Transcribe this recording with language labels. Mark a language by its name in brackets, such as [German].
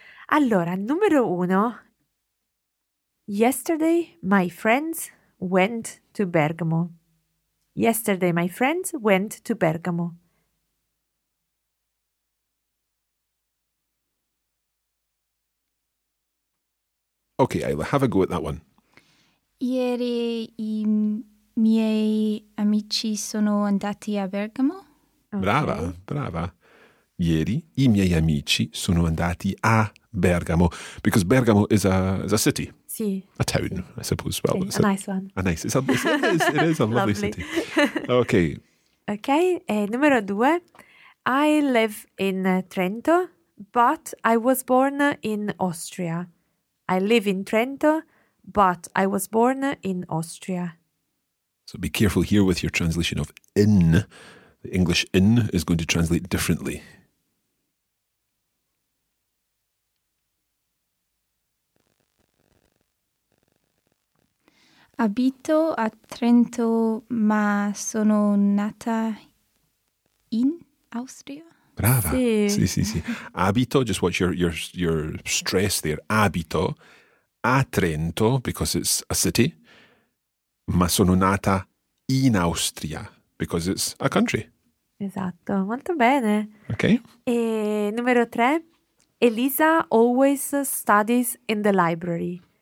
[Italian] Allora, numero uno. [English] Yesterday, my friends went to Bergamo. Yesterday, my friends went to Bergamo. Okay, Ayla, have a go at that one. [Italian] Ieri i miei amici sono andati a Bergamo. Okay. Brava, brava. Ieri i miei amici sono andati a Bergamo. [English] Because Bergamo is a city. [Italian] Sì. [English] A town, I suppose. Well, sì, it's a nice one. It is a lovely city. Okay. [Italian] Okay. Numero due. [English] I live in Trento, but I was born in Austria. I live in Trento, but I was born in Austria. So be careful here with your translation of in. The English in is going to translate differently. [Italian] Abito a Trento, ma sono nata in Austria. Brava. Sì. Abito, [English] just watch your stress there. [Italian] Abito a Trento, [English] because it's a city, [Italian] ma sono nata in Austria, [English] because it's a country. [Italian] Esatto, molto bene. Ok. E numero tre, [English] Elisa always studies in the library.